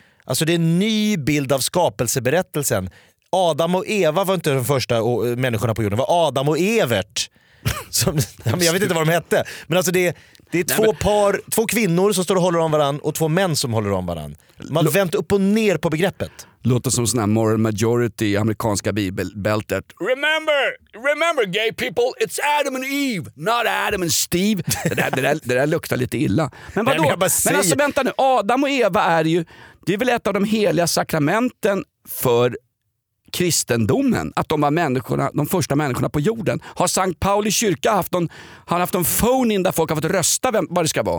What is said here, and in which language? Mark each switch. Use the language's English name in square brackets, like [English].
[Swedish] Alltså det är en ny bild av skapelseberättelsen. Adam och Eva var inte de första människorna på jorden. Det var Adam och Evert. Jag vet inte vad de hette. Men alltså det är två kvinnor som står och håller om varann och två män som håller om varann. Man vänt upp och ner på begreppet. Låter som sån här moral majority i amerikanska bibelbältet. [English] Remember gay people, it's Adam and Eve, not Adam and Steve. [Swedish] Det där luktar lite illa. Men vadå? Men alltså vänta nu, Adam och Eva är ju, det är väl ett av de heliga sakramenten för kristendomen, att de var människorna, de första människorna på jorden. Har Sankt Pauli kyrka haft en phone in där folk har fått rösta vad det ska vara?